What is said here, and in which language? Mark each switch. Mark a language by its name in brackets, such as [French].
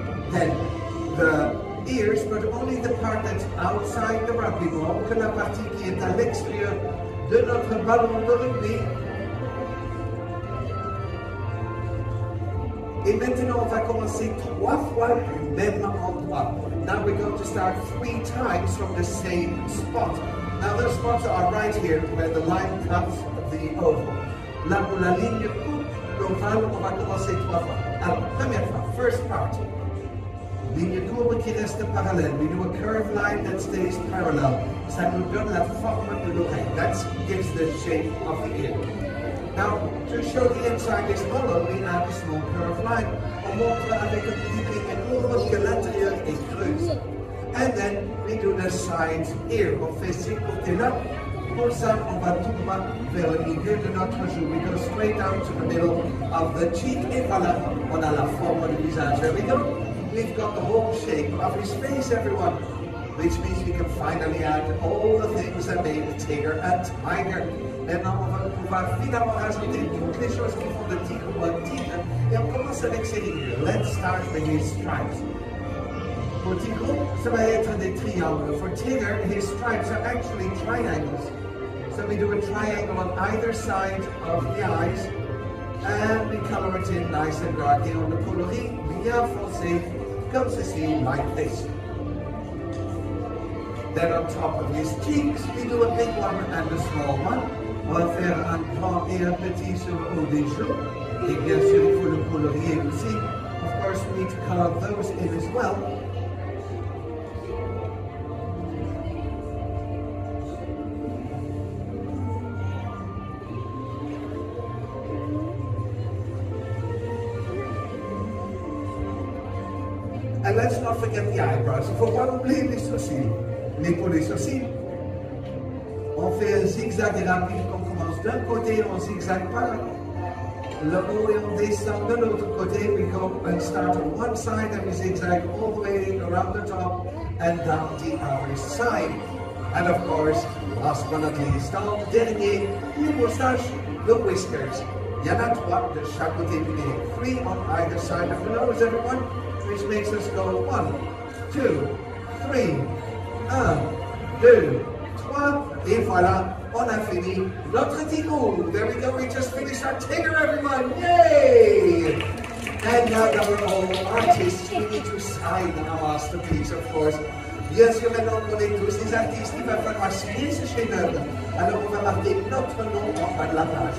[English] Then, the ears, but only the part that's outside the rugby ball, [French] que la partie qui est à l'extérieur de notre ballon de rugby. Et maintenant, on va commencer trois fois du même endroit. [English] Now we're going to start three times from the same spot. Now those spots are right here, where the line cuts the oval. [French] Là où la ligne coupe l'oval, on va commencer trois fois. Alors, première fois, [English] first part. [French] Ligne courbe qui reste parallèle. [English] We do a curved line that stays parallel. [French] Ça nous donne la forme de l'oreille. [English] That gives the shape of the ear. Now, to show the inside is hollow, we add a small curved line. [French] On montre avec un petit ligne courbe que l'intérieur est creuse. [English] And then, we do the sides here. [French] On fait ces côtés-là. Pour ça, on va tout droit vers le milieu de notre joue. [English] We go straight down to the middle of the cheek. [French] Et voilà, on a la forme du visage. [English] There we go. We've got the whole shape of his face, everyone. Which means we can finally add all the things that made Tigger a tiger. [French] Maintenant, on va pouvoir finalement rajouter toutes les choses qui font de Tigre ou un tigre. Et on commence avec ces lignes. [English] Let's start with his stripes. For Tigre, [French] ça va être des triangles. [English] For Tigger, his stripes are actually triangles. So we do a triangle on either side of the eyes, and we colour it in nice and dark. [French] Et on le colorie bien foncé, comme ceci, [English] like this. Then on top of his cheeks, we do a big one and a small one. [French] On va faire un grand et un petit sur le des joues. Et bien sûr, pour le colorier aussi. [English] Of course, we need to colour those in as well. And let's not forget the eyebrows. [French] Faut pas oublier les sourcils. Mais pour les sourcils, on fait un zigzag et rapide. On commence d'un côté, on zigzag par le haut et on descend de l'autre côté. [English] We go and start on one side and we zigzag all the way around the top and down the other side. And of course, last but not least, [French] le dernier, les moustaches, [English] the whiskers. [French] Il y en a trois de chaque côté, [English] we need three on either side of the nose, everyone, which makes us go 1, 2, 3. [French] 1, 2, 3, et voilà, on a fini notre Tigger. [English] There we go, we just finished our Tigger, everyone! Yay! And now that we're all artists, we need to sign our masterpiece, of course. [French] Bien sûr, maintenant, on est tous des artistes, il va falloir signer ce chef-d'œuvre. Alors, on va marquer notre nom en bas de la page.